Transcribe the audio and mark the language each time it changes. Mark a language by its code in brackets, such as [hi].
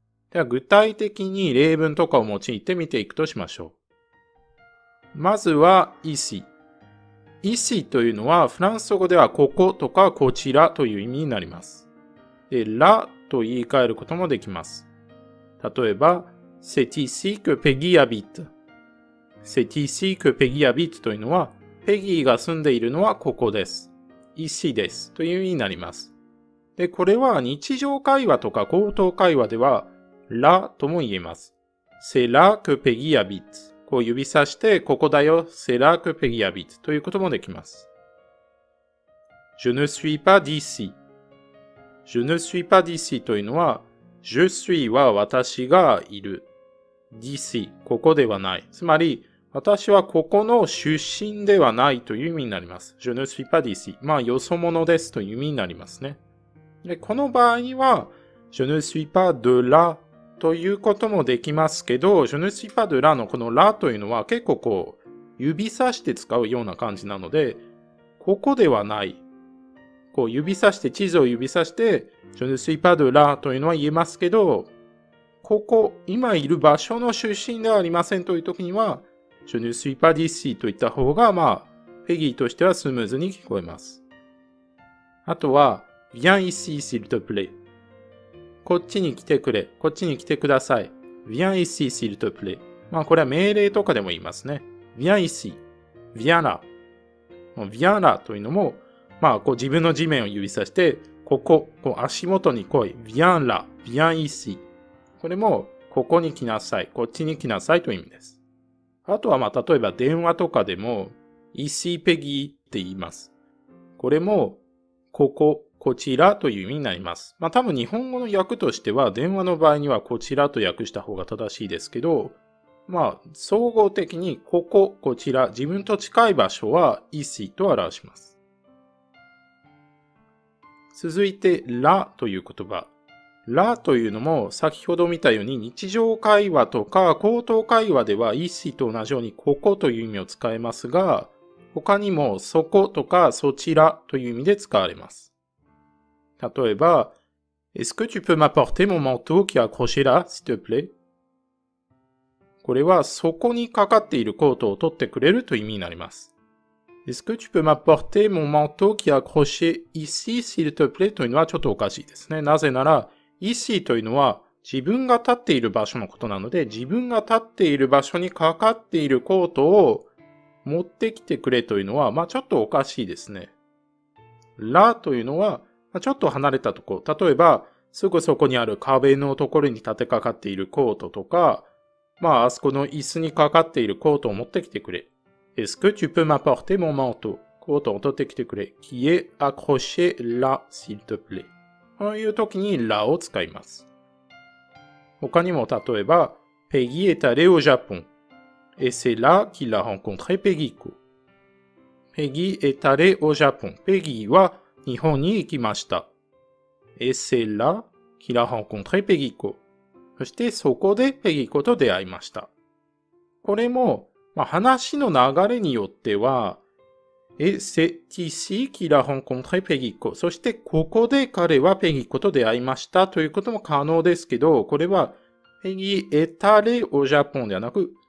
[ja] では具体的に例文とかを用いて見ていくとしましょう。まずは ici。 ici というのはフランス語ではこことかこちらという意味になります。で、là と言い換えることもできます。例えば、 [fr] c'est ici que Peggy habite. c'est ici que Peggy habite [ja] というのは、ペギーが住んでいるのはここです。 ici です。という意味になります。で、これは日常会話とか口頭会話では、là とも言えます。 [fr] c'est là que Peggy habite. [ja] こう指さして、ここだよ。 [fr] c'est là que Peggy habite. [ja] ということもできます。 [fr] je ne suis pas d'ici. je ne suis pas d'ici [ja] というのは、 [fr] je suis [ja] は私がいる。 dici、ここではない。つまり、私はここの出身ではないという意味になります。 [fr] je ne suis pas dici。 [ja] まあ、よそ者ですという意味になりますね。で、この場合は、 [fr] je ne suis pas de là [ja] ということもできますけど、je ne suis pas de là のこの là というのは結構こう、指さして使うような感じなので、ここではない。こう指さして、地図を指さして、 [fr] je ne suis pas de là [ja] というのは言えますけど、ここ、今いる場所の出身ではありませんというときには、 [fr] je ne suis pas d'ici [ja] と言った方が、まあ、ペギーとしてはスムーズに聞こえます。あとは、 [fr] viens ici, s'il te plaît。 [ja] こっちに来てくれ。こっちに来てください。 viens ici, s'il te plaît。まあ、これは命令とかでも言いますね。 [fr] viens ici。 viens là。 [ja] viens là というのも、まあ、こう自分の地面を指さして、ここ、こう足元に来い。 [fr] viens là, viens ici。 [ja] これも、ここに来なさい、こっちに来なさいという意味です。あとは、まあ、例えば電話とかでも、 [fr] ici Peggy [ja] って言います。これも、ここ、こちらという意味になります。まあ、多分日本語の訳としては、電話の場合にはこちらと訳した方が正しいですけど、まあ、総合的に、ここ、こちら、自分と近い場所は ici と表します。続いて、らという言葉。らというのも、先ほど見たように日常会話とか口頭会話では ici と同じようにここという意味を使えますが、他にもそことかそちらという意味で使われます。例えば、 [fr] est-ce que tu peux m'apporter mon manteau qui est accroché là, s'il te plaît? [ja] これはそこにかかっているコートを取ってくれるという意味になります。 [fr] Est-ce que tu peux m'apporter mon manteau qui est accroché ici, s'il te plaît? [ja] というのはちょっとおかしいですね。なぜなら、ici というのは自分が立っている場所のことなので、自分が立っている場所にかかっているコートを持ってきてくれというのは、まあ、ちょっとおかしいですね。 là というのは、まあ、ちょっと離れたところ。例えば、すぐそこにある壁のところに立てかかっているコートとか、まあ、あそこの椅子にかかっているコートを持ってきてくれ。 [fr] Est-ce que tu peux m'apporter mon manteau? [ja] コートを取ってきてくれ。 [fr] qui est accroché là, s'il te plaît. [ja] こういう時に là を使います。他にも例えば、 [fr] Peggy est allé au Japon. Et c'est là qu'il a rencontré Peggy. Peggy est allé au Japon. [ja] Peggy は日本に行きました。 [fr] Et c'est là qu'il a rencontré Peggy. [ja] そしてそこで Peggy と出会いました。これも、まあ、話の流れによっては、え、 [fr] c'est ici qu'il a rencontré Peggy. [ja] そして、ここで彼はペギコと出会いましたということも可能ですけど、これは、 [fr] Peggy est allé au Japon [ja] ではなく、